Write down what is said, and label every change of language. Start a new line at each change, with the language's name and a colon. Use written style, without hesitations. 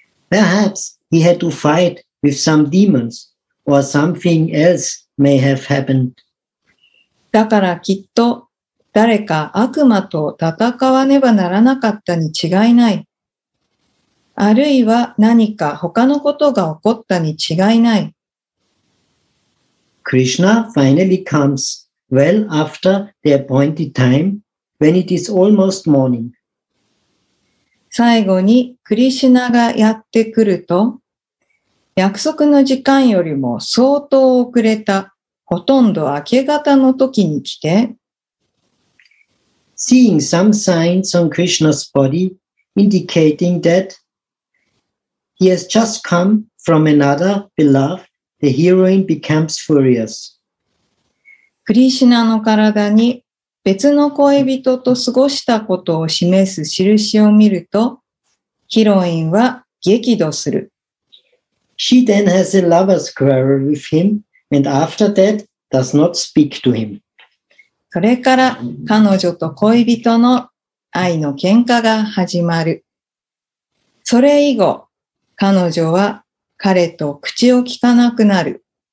English: Perhaps he had to fight with some demons, or something else may have happened.
Japanese: だからきっと誰か悪魔と戦わねばならなかったに違いない。あるいは何か他のことが起こったに違いない。
English: Krishna finally comes well after the appointed time when it is almost morning.
Japanese: 最後にクリシュナがやってくると、約束の時間よりも相当遅れたほとんど明け方の時に来て、
English: Seeing some signs on Krishna's body indicating that he has just come from another beloved, the heroine becomes furious.
Japanese: クリシュナの体に別の恋人と過ごしたことを示す印を見ると、ヒロインは激怒する。
English: She then has a lover's quarrel with him and after that does not speak to him.
Japanese: それから彼女と恋人の愛の喧嘩が始まる。それ以後、彼女は彼と口を聞かなくなる。